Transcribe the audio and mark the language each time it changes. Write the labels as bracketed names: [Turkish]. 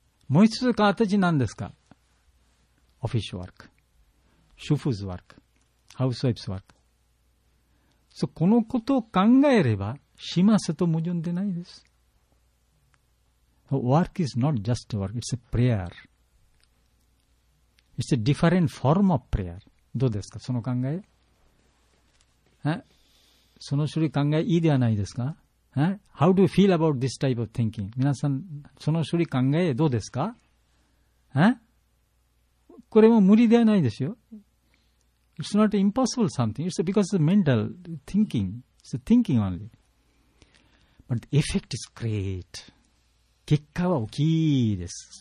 [Japanese] もう一つ形なんですか？オフィスワーク、主婦ズワーク、ハウスワイプズワーク。そう、このことを考えれば、しますと矛盾でないです。 [English] Work is not just work, it's a prayer. It's a different form of prayer. [Japanese] どうですか？その考え？その種類考えいいではないですか？ [English] How do you feel about this type of thinking? [Japanese] 皆さん、その処理考えどうですか？これも無理ではないですよ。 [English] It's not impossible something. It's because it's mental thinking. It's thinking only. But the effect is great. [Japanese] 結果は大きいです。